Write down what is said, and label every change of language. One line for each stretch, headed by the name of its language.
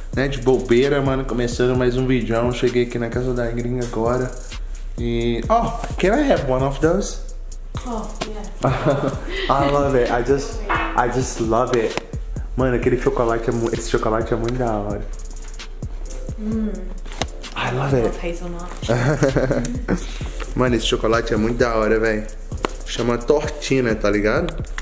Portuguese: Né, de bobeira, mano, começando mais um vídeo. Cheguei aqui na casa da gringa agora.
English: E, oh, can I have one of those? Oh, yeah. I love it, I just love it.
Portuguese: Mano, aquele chocolate, esse chocolate é muito da hora.
English: I love it.
Portuguese: Mano, esse chocolate é muito da hora, velho. Chama tortina, tá ligado?